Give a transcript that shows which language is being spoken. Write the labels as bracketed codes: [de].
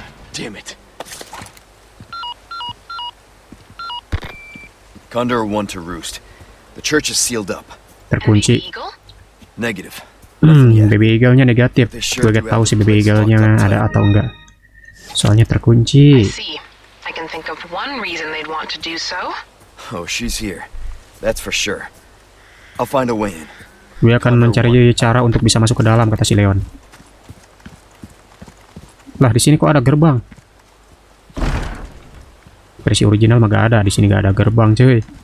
[en] Damn it. Condor 1 to roost. The church is sealed up. [id] Terkunci. [en] Negative. [id] Baby eagle-nya negatif. Gue gak tahu sih baby eagle-nya ada atau enggak. Soalnya terkunci. [en] I can think of one reason they'd want to do so. Oh, she's here. That's for sure. I'll find a way in. [id] Gue akan mencari cara untuk bisa masuk ke dalam, kata si Leon. Lah, di sini kok ada gerbang? Versi original mah gak ada, di sini gak ada gerbang, cuy.